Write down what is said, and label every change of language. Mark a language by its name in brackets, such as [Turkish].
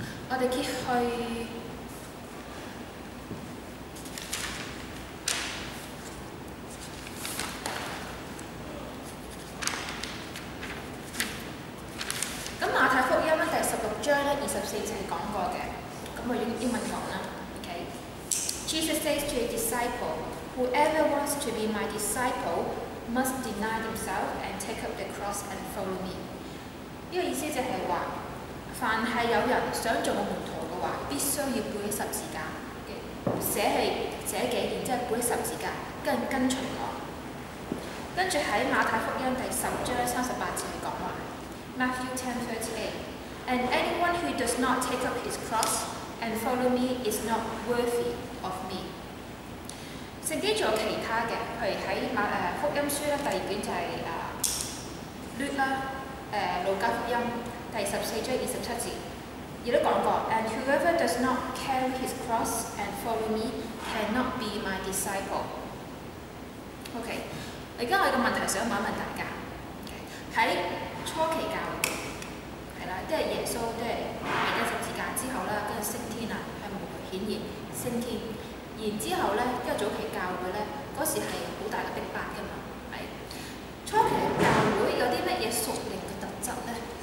[Cantonese] 我哋揭去咁馬太福音咧第16:24係講過嘅，咁我用英文講啦。 [English] Jesus says to a disciple, "Whoever wants to be my disciple must deny himself and take up the cross and follow me." [Cantonese] 呢個意思就係話。凡是有人想做我門徒的話，必須要背起十字架，捨棄捨己，然之後背起十字架，跟住跟隨我。跟住喺馬太福音第10:38講話，Matthew 10:38， [English] "And anyone who does not take up his cross and follow me is not worthy of me." [Cantonese] 聖經仲有其他嘅，譬如喺福音書咧，第二卷就係路加福音。 14:27亦都講過 [English] ，and whoever does not carry his cross and follow me cannot be my disciple。 [Cantonese] OK， 而家我有個問題想問一問大家，喺初期教會係啦，即係耶穌即係被釘十字架之後啦，跟住升天啦，向門徒顯現升天，然之後咧，因為早期教會咧嗰時係好大嘅逼迫噶嘛，係初期教會有啲乜嘢屬靈嘅特質咧？